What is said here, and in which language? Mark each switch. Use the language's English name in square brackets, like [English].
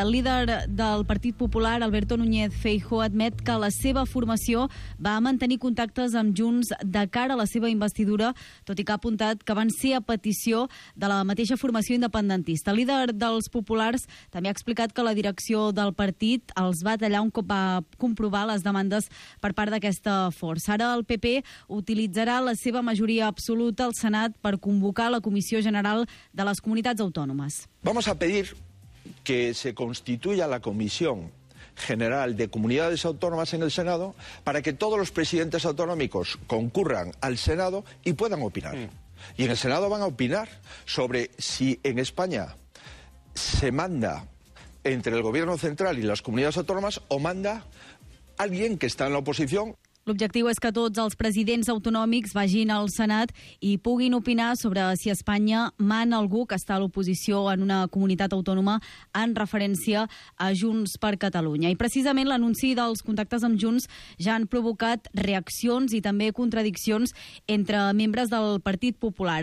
[Catalan] El líder del Partit Popular, Alberto Núñez Feijóo, admet que la seva formació va mantenir contactes amb Junts de cara a la seva investidura, tot i que ha apuntat que van ser a petició de la mateixa formació independentista. El líder dels Populars també ha explicat que la direcció del partit els va tallar un cop va comprovar les demandes per part d'aquesta força. Ara el PP utilitzarà la seva majoria absoluta al Senat per convocar la Comissió General de las Comunidades Autónomas. [Spanish] Vamos a pedir que se constituya la Comisión General de Comunidades Autónomas en el Senado para que todos los presidentes autonómicos concurran al Senado y puedan opinar. Y en el Senado van a opinar sobre si en España se manda entre el Gobierno Central y las Comunidades Autónomas o manda alguien que está en la oposición. [Catalan] L'objectiu és que tots els presidents autonòmics vagin al Senat i puguin opinar sobre si Espanya mana algú que està a l'oposició en una comunitat autònoma en referència a Junts per Catalunya. I precisament l'anunci dels contactes amb Junts ja han provocat reaccions i també contradiccions entre membres del Partit Popular.